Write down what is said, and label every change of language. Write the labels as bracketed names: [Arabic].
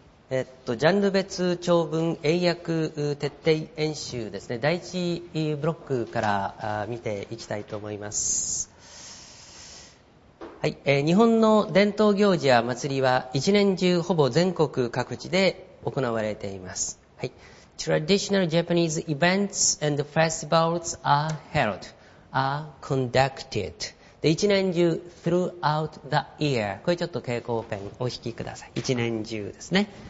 [Japanese] ジャンル別長文英訳徹底演習ですね、第一ブロックから見ていきたいと思います。はい、日本の伝統行事や祭りは一年中ほぼ全国各地で行われています。 [English] はい、Traditional Japanese events and festivals are held, are conducted. [Japanese] で、一年中 [English] throughout the year. [Japanese] これちょっと蛍光ペンお引きください。一年中ですね。